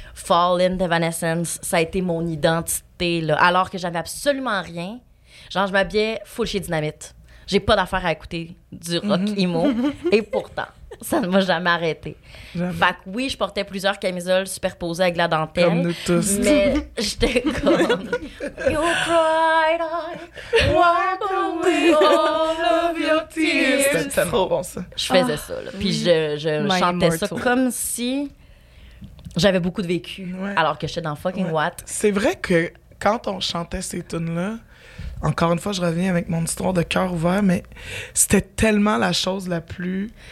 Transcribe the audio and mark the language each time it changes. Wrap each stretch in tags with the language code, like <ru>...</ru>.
<fr>Fall in Evanescence, ça a été mon identité. Là. Alors que j'avais absolument rien. Genre, je m'habillais full chez Dynamite. J'ai pas d'affaire à écouter du rock emo. Et pourtant, ça ne m'a jamais arrêté. Fait que oui, je portais plusieurs camisoles superposées avec la dentelle. Comme nous tous. Mais j'étais comme...</fr> <en>You cried, I wiped away all of your tears.</en> <fr>C'était tellement bon, ça. Je faisais ça, là. Puis je chantais immortal. Ça comme si j'avais beaucoup de vécu, ouais. alors que j'étais dans fucking ouais.</fr> <en>what.</en> <fr>C'est vrai que quand on chantait ces tunes-là, encore une fois, je reviens avec mon histoire de cœur ouvert, mais c'était tellement la chose la plus...</fr>